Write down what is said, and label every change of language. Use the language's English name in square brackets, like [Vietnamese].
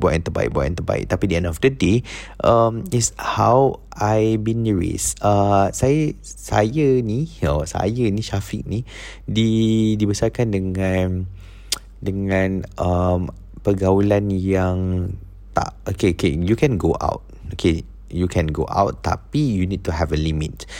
[English] Tapi the end of the day, is how I been raised. [Malay] Saya ni Syafiq ni dibesarkan dengan pergaulan yang tak okay. [English] You can go out. Okay, you can go out tapi you need to have a limit.